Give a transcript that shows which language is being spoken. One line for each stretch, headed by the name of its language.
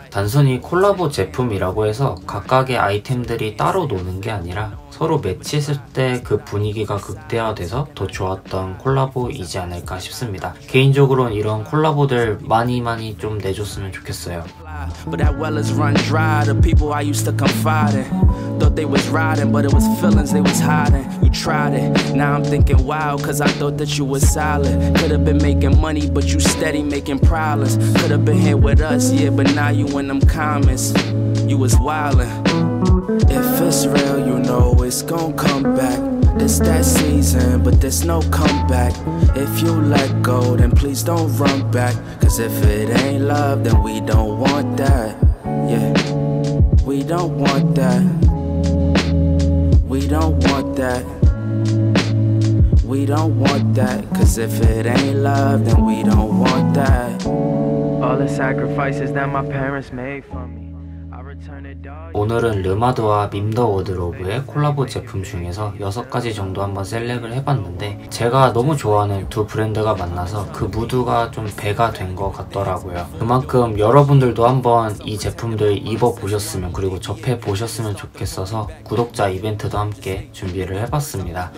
Korean: 단순히 콜라보 제품이라고 해서 각각의 아이템들이 따로 노는 게 아니라 서로 매치했을 때 그 분위기가 극대화돼서 더 좋았던 콜라보이지 않을까 싶습니다. 개인적으로는 이런 콜라보들 많이 좀 내줬으면 좋겠어요.
English: But that well is run dry. The people I used to confide in thought they was riding, but it was feelings they was hiding. You tried it, now I'm thinking wild, cause I thought that you was silent. Could have been making money, but you steady making problems. Could have been here with us, yeah, but now you in them comments. You was wildin'. If it's real, you know it's gon' come back. This that season, but there's no comeback. If you let go, then please don't run back. Cause if it ain't love, then we don't want that. Yeah, we don't want that. We don't want that. We don't want that. Cause if it ain't love, then we don't want that. All the sacrifices that my parents made for me.
Korean: 오늘은 르마드와 밈더 워드로브의 콜라보 제품 중에서 6가지 정도 한번 셀렉을 해봤는데 제가 너무 좋아하는 두 브랜드가 만나서 그 무드가 좀 배가 된 것 같더라고요. 그만큼 여러분들도 한번 이 제품들 입어보셨으면 그리고 접해보셨으면 좋겠어서 구독자 이벤트도 함께 준비를 해봤습니다.